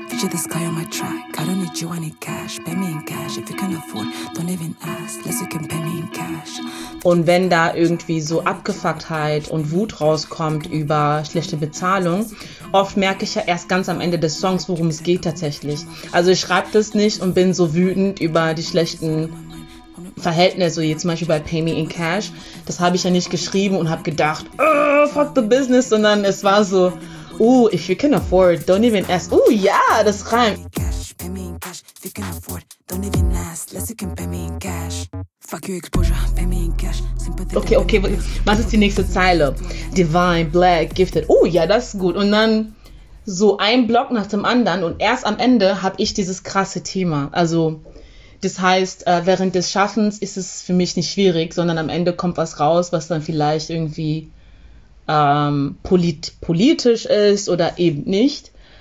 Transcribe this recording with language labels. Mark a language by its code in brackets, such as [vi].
[en] This guy on my track, I don't need you, I need cash, pay me in cash, if you can afford, don't even ask, unless you can pay me in cash. [de] Und wenn da irgendwie so Abgefucktheit und Wut rauskommt über schlechte Bezahlung, oft merke ich ja erst ganz am Ende des Songs, worum es geht tatsächlich. Also ich schreibe das nicht und bin so wütend über die schlechten Verhältnisse, so jetzt zum Beispiel bei Pay Me In Cash, das habe ich ja nicht geschrieben und habe gedacht, [en] fuck the business, [de] sondern es war so, [en] oh, if you can afford, don't even ask. Oh, yeah, [de] das reimt. [en] Cash, pay me in cash. If you can afford, don't even ask. Unless you can pay me in cash. If Fuck your exposure, pay me in cash. Sympathy. [de] Okay, okay, was ist die nächste Zeile? [en] Divine, black, gifted. [de] Oh ja, das ist gut. Und dann so ein Block nach dem anderen und erst am Ende habe ich dieses krasse Thema. Also das heißt, während des Schaffens ist es für mich nicht schwierig, sondern am Ende kommt was raus, was dann vielleicht irgendwie politisch ist oder eben nicht.